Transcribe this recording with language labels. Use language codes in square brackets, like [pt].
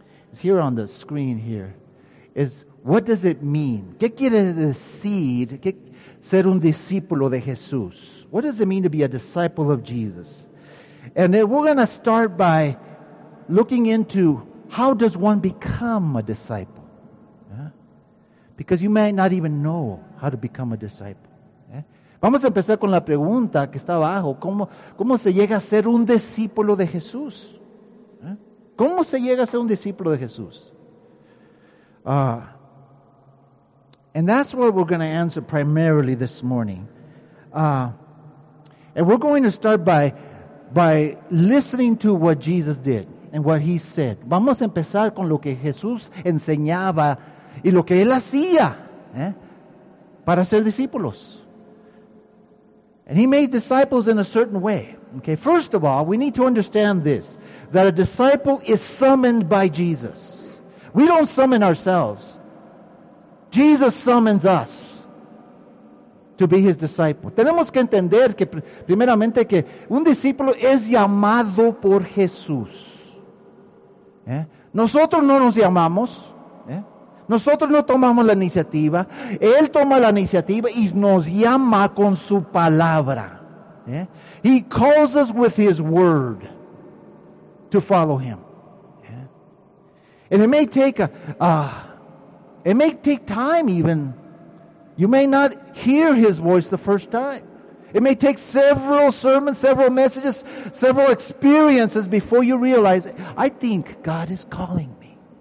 [en] It's here on the screen here, is what does it mean? [es] ¿Qué quiere decir ser un discípulo de Jesús? [en] What does it mean to be a disciple of Jesus? And then we're going to start by looking into how does one become a disciple? Yeah? Because you might not even know how to become a disciple. Yeah? [es] Vamos a empezar con la pregunta que está abajo. ¿Cómo se llega a ser un discípulo de Jesús? ¿Cómo se llega a ser un discípulo de Jesús? [en] And that's what we're going to answer primarily this morning. And we're going to start by listening to what Jesus did and what he said. [es] Vamos a empezar con lo que Jesús enseñaba y lo que él hacía, ¿eh? Para ser discípulos. [en] And he made disciples in a certain way. Okay, first of all, we need to understand this, that a disciple is summoned by Jesus. We don't summon ourselves. Jesus summons us to be his disciple. [es] Tenemos que entender que primeramente que un discípulo es llamado por Jesús. ¿Eh? Nosotros no nos llamamos. ¿Eh? Nosotros no tomamos la iniciativa. Él toma la iniciativa y nos llama con su palabra. [en] Yeah? He calls us with his word to follow him. Yeah? And it may take time even. You may not hear his voice the first time. It may take several sermons, several messages, several experiences before you realize, I think God is calling me.